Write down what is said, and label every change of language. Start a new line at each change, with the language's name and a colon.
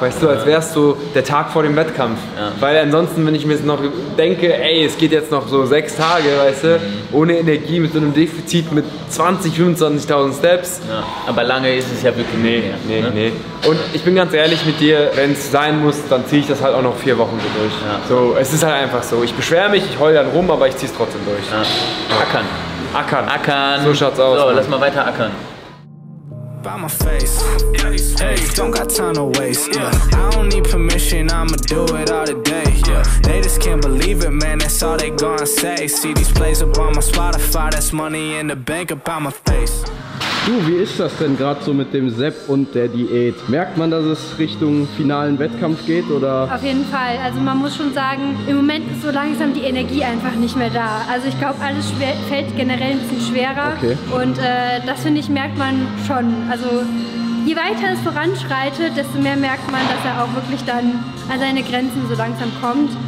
German: Weißt du, als wäre es so der Tag vor dem Wettkampf. Ja. Weil ansonsten, wenn ich mir jetzt noch denke, ey, es geht jetzt noch so 6 Tage, weißt du, ohne Energie, mit so einem Defizit, mit 20.000, 25.000 Steps. Ja, aber lange ist es ja wirklich nicht mehr. Nee. Und ich bin ganz ehrlich mit dir, wenn es sein muss, dann ziehe ich das halt auch noch 4 Wochen so durch. Ja. So, es ist halt einfach so. Ich beschwere mich, ich heule dann rum, aber ich ziehe es trotzdem durch. Ja. Ackern. Ackern. Ackern. So schaut's aus. So, Mann. Lass mal weiter ackern.
English: By my face, hey, don't got time to waste, yeah. I don't need permission, I'ma do it all today, yeah. They just can't believe it, man, that's all they gonna say. See these plays up on my Spotify, that's money in the bank up on my face.
German: Du, wie ist das denn gerade so mit dem Sepp und der Diät? Merkt man, dass es Richtung finalen Wettkampf geht, oder? Auf jeden Fall. Also man muss schon sagen, im Moment ist so langsam die Energie einfach nicht mehr da. Also ich glaube, alles fällt generell ein bisschen schwerer. Okay. Und das, finde ich, merkt man schon. Also je weiter es voranschreitet, desto mehr merkt man, dass er auch wirklich dann an seine Grenzen so langsam kommt.